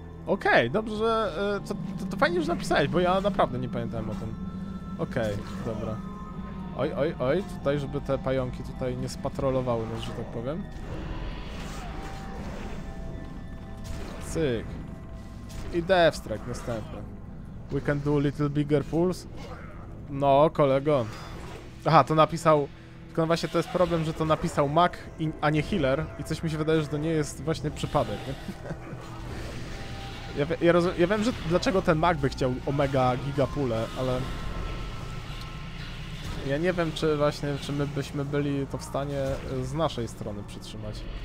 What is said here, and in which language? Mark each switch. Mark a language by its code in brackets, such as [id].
[pl] Okej, okay, dobrze, że... To fajnie, że napisałeś, bo ja naprawdę nie pamiętałem o tym. Okej, okay, dobra. Oj, oj, oj, tutaj, żeby te pająki tutaj nie spatrolowały nas, że tak powiem. Cyk. I death strike następny. [en] We can do a little bigger pulls. [pl] No, kolego. Aha, to napisał... Tylko no właśnie to jest problem, że to napisał Mac, a nie healer. I coś mi się wydaje, że to nie jest właśnie przypadek, nie? Ja wiem, że dlaczego ten Mac by chciał omega giga pulę, ale... Ja nie wiem, czy właśnie, czy my byśmy byli to w stanie z naszej strony przytrzymać.